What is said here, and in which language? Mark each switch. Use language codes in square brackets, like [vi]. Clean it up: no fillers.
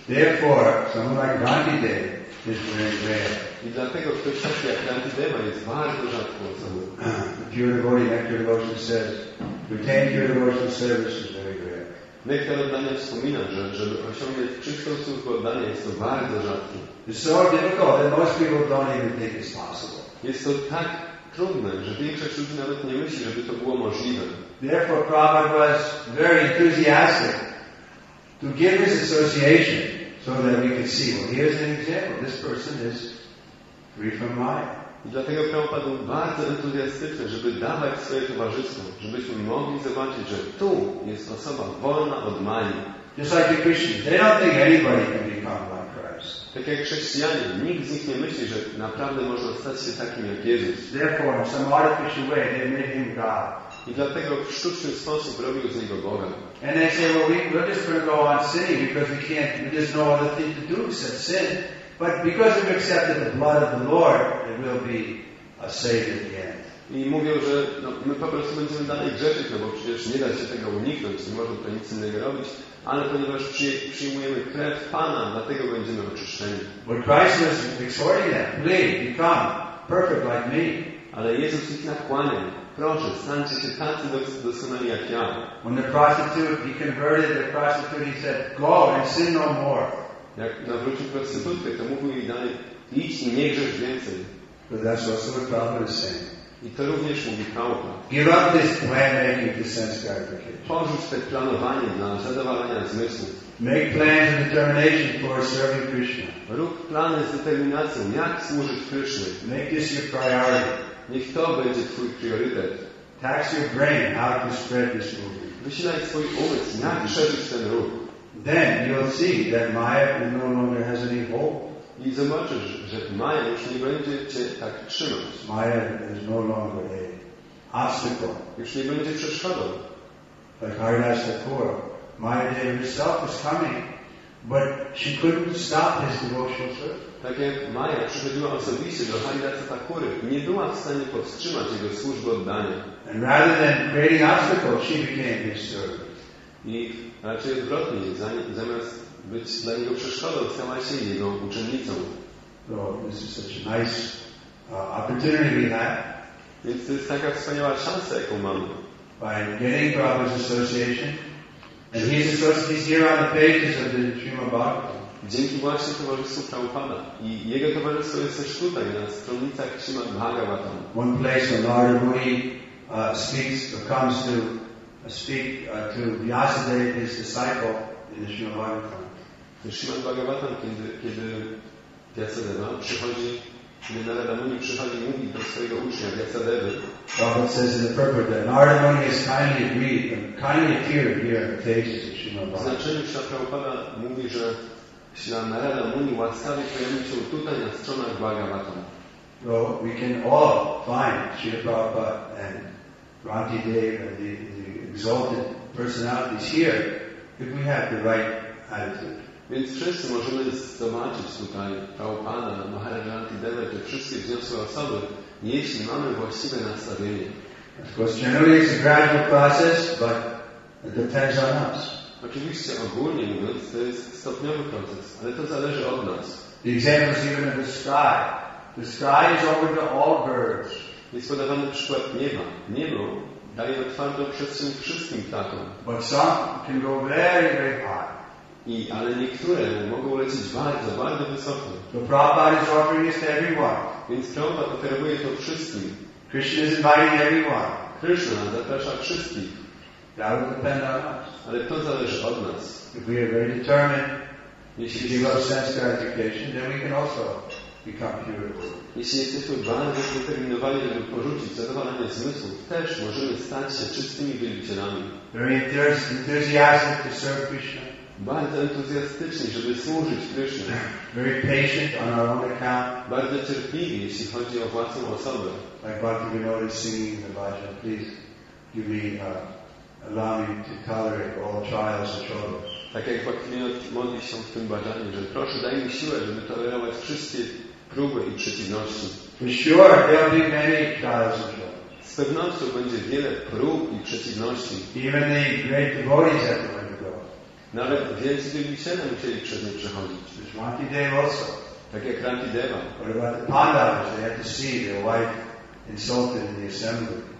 [en] Therefore, someone like Gandhi did. Is [pl] I dlatego ktoś taki jak Gandhi Deva jest bardzo rzadko osobą. [en] Pure devotee, nectar devotion says, retain pure devotion service is very rare. [pl] Nectar oddania wspomina, że żeby osiągnąć czystą służbę oddania jest to bardzo rzadko. [en] It's so difficult that most people don't even think it's possible. [pl] Jest to tak trudne, że większość ludzi nawet nie myśli, żeby to było możliwe. [en] Therefore, Prabhupada was very enthusiastic to give his association. So that we can see, well, here's an example. This person is free from maya. [pl] Dlatego Prabhupada był bardzo entuzjastyczny, żeby dawać swoje towarzystwo, żebyśmy mogli zobaczyć, że tu jest osoba wolna od maji. [en] Just like the Christians, they don't think anybody can become like Christ. [pl] Tak jak chrześcijanie, nikt z nich nie myśli, że naprawdę można stać się takim jak Jezus. [en] Therefore, in some artificial way, they made him God. [pl] I dlatego w sztuczny sposób robił z niego Boga. [en] And they say, well, we're just going to go on sinning because we can't, there's no other thing to do except sin. But because we've accepted the blood of the Lord, it will be a savior again. [pl] I mówią, że no, my po prostu będziemy dalej grzeszyć, no bo przecież nie da się tego uniknąć, nie można to nic innego robić, ale ponieważ przyjmujemy krew Pana, dlatego będziemy oczyszczeni. [en] But Christ is exhorting them, please, become perfect like me. [pl] Ale Jezus ich nakłania. Proszę, stańcie się tacy doskonali jak ja. [en] When the prostitute, he converted the prostitute, he said, go and sin no more. [pl] Jak nawrócił prostytutkę, to mówił jej dalej, idź i nie grzesz więcej. [en] But that's also what Prabhupada is saying. [pl] I to również mówi Prabhupada. [en] Give up this plan-making to sense gratification. [pl] Porzuć te planowanie dla zadowalania zmysłów. [en] Make plans and determination for serving Krishna. [pl] Rób plany z determinacją, jak służyć Krishna. [en] Make this your priority. [pl] Niech to będzie twój priorytet. [en] Tax your brain how to spread this movement. [pl] Wysilaj swój umysł, jak szerzyć ten ruch. [en] Then you'll see that Maya no longer has any hope. [pl] I zobaczysz, że Maya już nie będzie cię tak trzymać. [en] Maya is no longer a obstacle. [pl] Już nie będzie przeszkodą. [en] Like Haridas Thakur, Maya Devi herself was coming, but she couldn't stop his devotional service. [pl] Tak jak Maja przychodziła osobiście do Haridasa Thakury i nie była w stanie powstrzymać jego służby oddania. [en] And rather than creating obstacles, she became his servant. [pl] I raczej odwrotnie, zamiast być dla niego przeszkodą, stała się jego uczennicą. [en] So, this is such a nice opportunity we have. [pl] Więc to jest taka wspaniała szansa, jaką mamy. [en] By getting Prabhupada's association, and he's associated here on the pages of the Srimad Bhagavatam. [pl] Dzięki właśnie towarzystwu Prabhupada. I jego towarzystwo jest też tutaj, na stronnicach Srimad Bhagavatam. [en] One place where Narada Muni speaks, or comes to speak to Vyasadeva, his disciple, in the Srimad Bhagavatam. [pl] To Srimad Bhagavatam, kiedy Vyasadeva przychodzi, kiedy Narada Muni przychodzi i mówi do swojego ucznia, Vyasadevy. [en] Prabhupada says in the purport that Narada Muni has kindly agreed, kindly appeared here in the pages of Srimad Bhagavatam. [pl] Znaczeniu Srimad Prabhupada mówi, że Śla Narada Muni łaskawie pojawił się tutaj na stronach Bhagavatam. [en] So we can all find Śrīla Prabhupāda and Rāntī Deva, the exalted personalities here, if we have the right attitude. [pl] Więc wszyscy możemy zobaczyć tutaj Prabhupāda, Maharaja Rāntī Deva, te wszystkie wzniosłe osoby, jeśli mamy właściwe nastawienie. [en] Of course, generally it's a gradual process, but it depends on us. [pl] Oczywiście ogólnie mówiąc, to jest stopniowy proces, ale to zależy od nas. [en] The example is given of the sky. The sky is open to all birds. [pl] Jest podawany przykład nieba. Niebo daje otwartą przestrzeń wszystkim ptakom. [en] But some can go very, very high. [pl] Ale niektóre mogą lecieć bardzo, bardzo wysoko. [en] The Prabhupada is offering this to everyone. [pl] Więc Prabhupada oferuje to wszystkim. [en] Krishna is inviting everyone. [pl] Krishna zaprasza wszystkich. [en] That will depend on us. [pl] Ale to zależy od nas. [en] If we are very determined, [pl] jeśli [en] give up sense gratification, then we can also become pure. [pl] Jeśli jesteśmy bardzo zdeterminowani, żeby porzucić zadowolenie zmysłów, też możemy stać się czystymi wielbicielami. [en] Very enthusiastic to serve Krishna. [pl] Bardzo entuzjastyczni, żeby służyć Krishna. [en] Very patient on our own account. [pl] Bardzo cierpliwi, jeśli chodzi o własną osobę. [en] Like Bhakti Vinod is singing in the Bhajan, please give me allow me to tolerate all trials and troubles. [pl] Tak jak Bhakti Vinod modli się w tym bhajanie, że proszę daj mi siłę, żeby tolerować wszystkie próby i przeciwności. [en] For sure, there'll be many trials and troubles. [pl] Z pewnością będzie wiele prób i przeciwności. [en] Even the great devotees have to undergo. [pl] Nawet wielcy wielbiciele musieli przed nim przechodzić. [en] Also. [pl] Tak jak Ranti Deva. [en] What about the Pandavas? They had to see their wife insulted in the assembly.